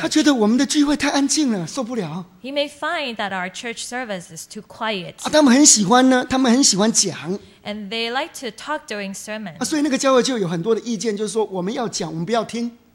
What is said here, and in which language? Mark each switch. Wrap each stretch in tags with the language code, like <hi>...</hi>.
<zh>他觉得我们的聚会太安静了，受不了。</zh> <en>He may find that our church service is too quiet.</en> <zh>啊，他们很喜欢呢，他们很喜欢讲。</zh> <en>And they like to talk during sermon.</en> <zh>啊，所以那个教会就有很多的意见，就是说我们要讲，我们不要听。</zh>